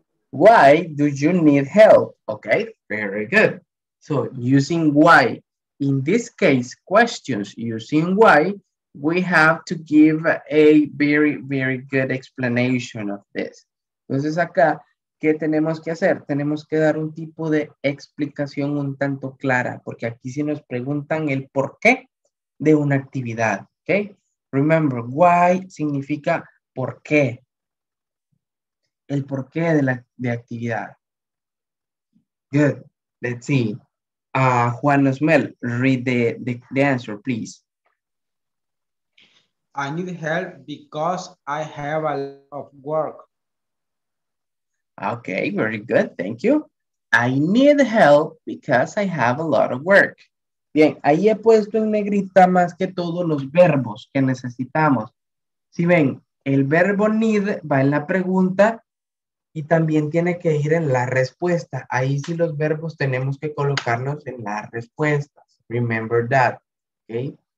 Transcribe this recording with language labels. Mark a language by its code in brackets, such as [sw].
[en] Why do you need help? Okay, very good. So using why, in this case, questions using why, we have to give a very, very good explanation of this. [es] Entonces acá, ¿qué tenemos que hacer? Tenemos que dar un tipo de explicación un tanto clara, porque aquí se nos preguntan el porqué de una actividad, okay? [en] Remember, why [es] significa por qué. El porqué de la de actividad. [en] Good. Let's see. Juan Osmel, read the answer, please. I need help because I have a lot of work. Okay, very good. Thank you. I need help because I have a lot of work. [es] Bien, ahí he puesto en negrita más que todos los verbos que necesitamos. Si ven, el verbo need va en la pregunta. Y también tiene que ir en la respuesta. Ahí sí los verbos tenemos que colocarlos en las respuestas. [en] Remember that. Okay.